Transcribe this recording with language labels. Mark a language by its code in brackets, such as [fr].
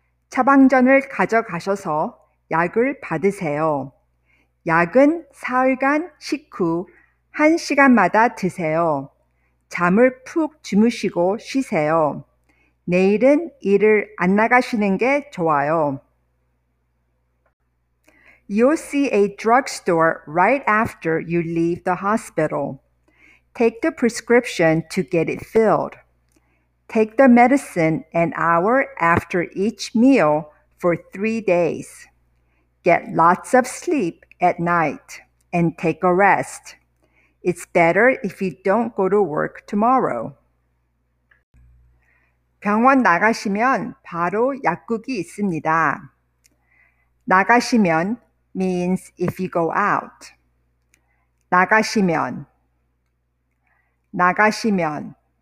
[ko] 처방전을 가져가셔서 약을 받으세요. 약은 사흘간 식후 한 시간마다 드세요. 잠을 푹 주무시고 쉬세요. 내일은 일을 안 나가시는 게 좋아요. [en] You'll see a drugstore right after you leave the hospital. Take the prescription to get it filled. Take the medicine an hour after each meal for 3 days. Get lots of sleep at night and take a rest. It's better if you don't go to work tomorrow. [ko] 병원 나가시면 바로 약국이 있습니다. 나가시면 [en] means if you go out. [ko] 나가시면, 나가시면.